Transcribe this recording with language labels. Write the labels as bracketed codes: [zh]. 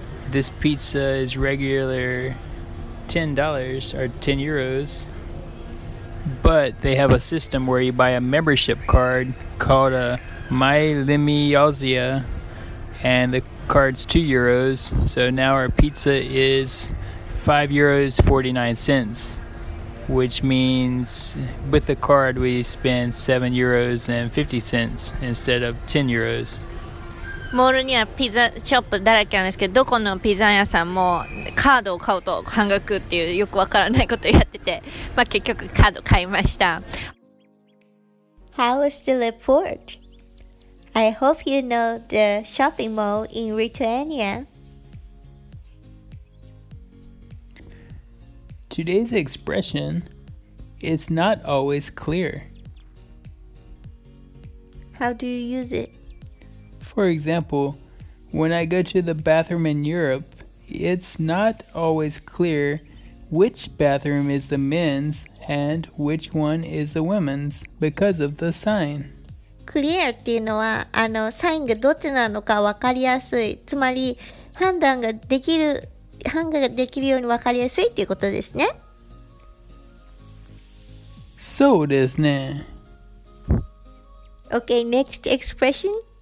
[en] This pizza is regular $10 or 10 euros, but they have a system where you buy a membership card called a My Limiozia, and the card's 2 euros, so now our pizza is 5 euros 49 cents, which means with the card we spend 7 euros and 50 cents instead of 10 euros. [ja] モールにはピザショップだらけなんですけど、どこのピザ屋さんもカードを買うと半額っていうよくわからないことをやってて、まあ、結局カード買いました。 [en] How was the report? I hope you know the shopping mall in Lithuania. Today's expression is not always clear. How do you use it? For example, when I go to the bathroom in Europe, it's not always clear which bathroom is the men's and which one is the women's because of the sign. [ja] Clear っていうのは、あの、サインがどっちなのか分かりやすい。つまり、判断ができるように分かりやすいっていうことですね。そうですね。 [en] Okay, next expression.